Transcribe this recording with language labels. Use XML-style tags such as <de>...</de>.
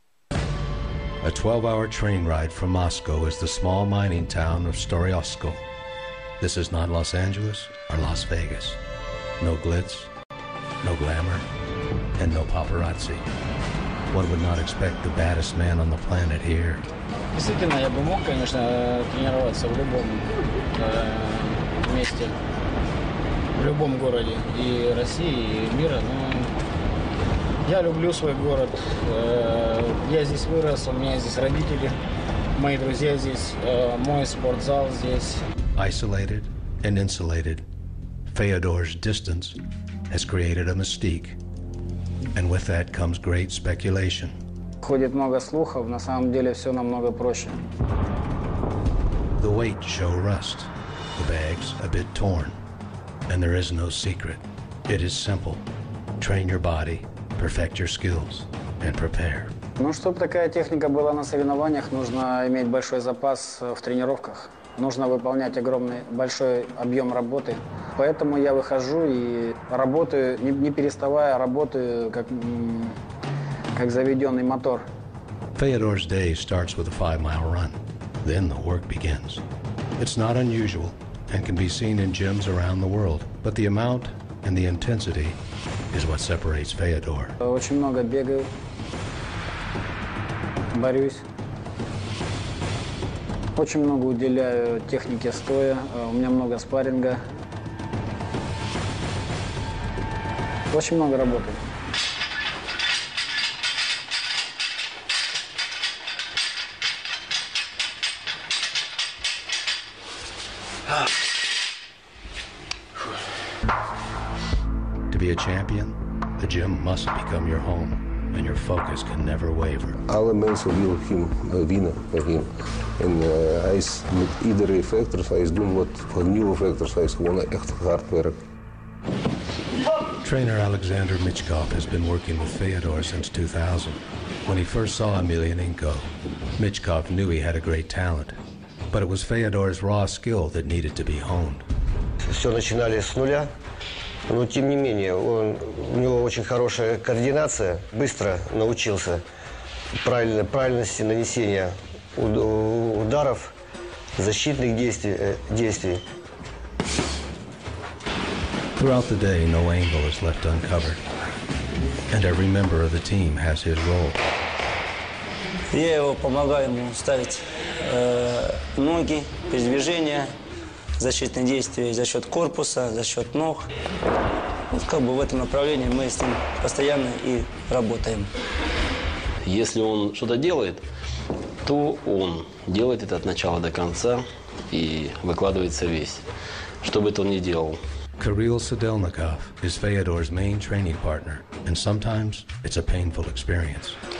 <en>A 12-hour train ride from Moscow is the small mining town of Storoyskoye. This is not Los Angeles or Las Vegas. No glitz, no glamour, and no paparazzi. One would not expect the baddest man on the planet here.</en> <ru>Действительно, я бы мог, конечно, тренироваться в любом месте, в любом городе и России, и мира, но... Я люблю свой город. Я здесь вырос, у меня здесь родители, мои друзья здесь, мой спортзал здесь.</ru> <en>Isolated and insulated, Fedor's distance has created a mystique. And with that comes great speculation.</en> <ru>Ходит много слухов, на самом деле все намного проще.</ru> <en>The weight show rust, the bags a bit torn. And there is no secret. It is simple. Train your body. Perfect your skills and prepare.</en> <ru>Ну, чтобы такая техника была на соревнованиях, нужно иметь большой запас в тренировках. Нужно выполнять огромный, большой объем работы. Поэтому я выхожу и работаю, не переставая, работаю как заведенный мотор.</ru> <en>Fedor's day starts with a 5-mile run. Then the work begins. It's not unusual and can be seen in gyms around the world. But the amount and the intensity is what separates Fedor.</en> <ru>Очень много бегаю, борюсь. Очень много уделяю технике стоя. У меня много спарринга. Очень много работы.</ru> <en>To be a champion, the gym must become your home, and your focus can never waver. Our mentor will him a winner for him. And I with either effectors, I doing what for new effectors I wanna echt hard work. Trainer Alexander Michkov has been working with Fedor since 2000. When he first saw Emelianenko, Michkov knew he had a great talent. But it was Fedor's raw skill that needed to be honed.</en> <ru>Все начинали с нуля. Но тем не менее, он, у него очень хорошая координация, быстро научился правильности нанесения ударов, защитных действий.</ru> <en>Throughout the day, no angle is left uncovered. And every member of the team has his role.</en> <ru>Я его помогаю ему ставить ноги, передвижения, защитные действия за счет корпуса, за счет ног. Вот как бы в этом направлении мы с ним постоянно и работаем. Если он что-то делает, то он делает это от начала до конца и выкладывается весь, что бы это он ни делал.</ru> <en>Kirill Sedelnikov is Fedor's main training partner, and sometimes it's a painful experience.</en>